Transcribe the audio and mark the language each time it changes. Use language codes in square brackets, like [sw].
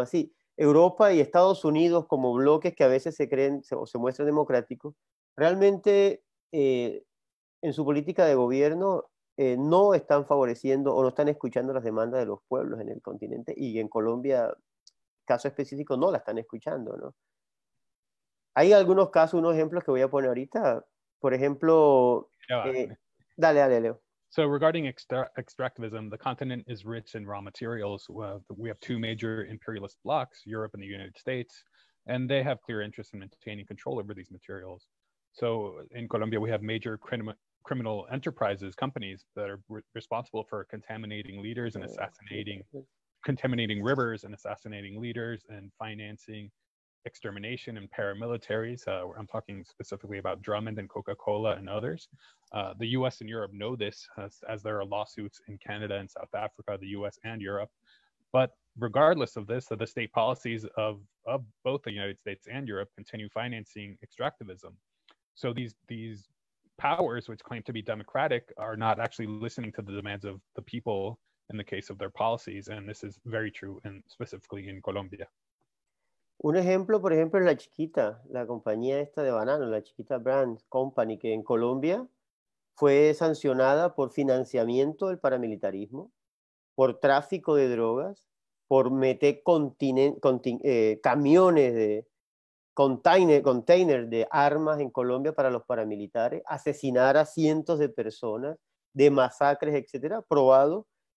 [es] Así, Europa y Estados Unidos como bloques que a veces se creen o se muestran democráticos, realmente en su política de gobierno no están favoreciendo o no están escuchando las demandas de los pueblos en el continente y en Colombia, caso específico, no la están escuchando, ¿no? Hay algunos casos, unos ejemplos que voy a poner ahorita. Por ejemplo, dale, dale, Leo. [en] So regarding extractivism, the continent is rich in raw materials. We have two major imperialist blocs, Europe and the United States, and they have clear interest in maintaining control over these materials. So in Colombia, we have major criminal enterprises, companies that are responsible for contaminating leaders and contaminating rivers and assassinating leaders and financing extermination and paramilitaries. I'm talking specifically about Drummond and Coca-Cola and others. The US and Europe know this as there are lawsuits in Canada and South Africa, the US and Europe. But regardless of this, the state policies of both the United States and Europe continue financing extractivism. So these powers, which claim to be democratic, are not actually listening to the demands of the people in the case of their policies, and this is very true and specifically in Colombia. [es] Un ejemplo, por ejemplo, es la Chiquita, la compañía esta de banano, la Chiquita Brand Company, que en Colombia fue sancionada por financiamiento del paramilitarismo, por tráfico de drogas, por meter camiones de container de armas en Colombia para los paramilitares, asesinar a cientos de personas, de masacres, etcétera, probado.